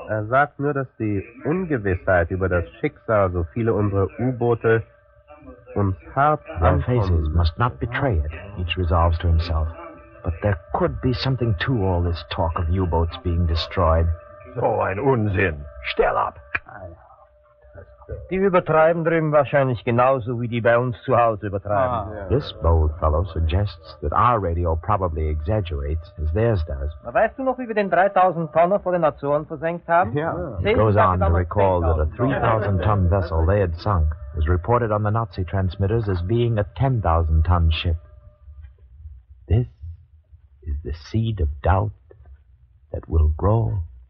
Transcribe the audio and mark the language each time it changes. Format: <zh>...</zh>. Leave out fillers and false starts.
<de>Sagt nur, dass die Ungewissheit über das Schicksal so viele unserer U-Boote...</de> <en>Their faces must not betray it, each resolves to himself. But there could be something to all this talk of U-boats being destroyed.</en> <de>So ein Unsinn. Stell ab. Die übertreiben drüben wahrscheinlich genauso wie die bei uns zu Hause übertreiben. Ah.</de> <en>This bold fellow suggests that our radio probably exaggerates as theirs does.</en> <de>Weißt du noch, wie wir den 3,000 Tonnen vor den Azoren versenkt haben?</de> <en>Yeah. He goes on to recall that a 3,000 ton vessel they had sunk was reported on the Nazi transmitters as being a 10,000 ton ship. This is the seed of doubt that will grow.</en>